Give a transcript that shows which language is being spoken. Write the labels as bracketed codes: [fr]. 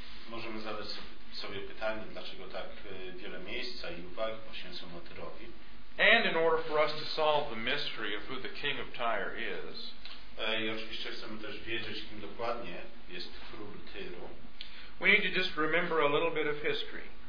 [pl] możemy zadać sobie pytanie, dlaczego tak wiele miejsca i uwagi poświęcono Tyrowi. [en] And in order for us to solve the mystery of who the king of Tyre is, [pl] i oczywiście chcemy też wiedzieć, kim dokładnie jest król Tyru, [en] we need to just remember a little bit of history.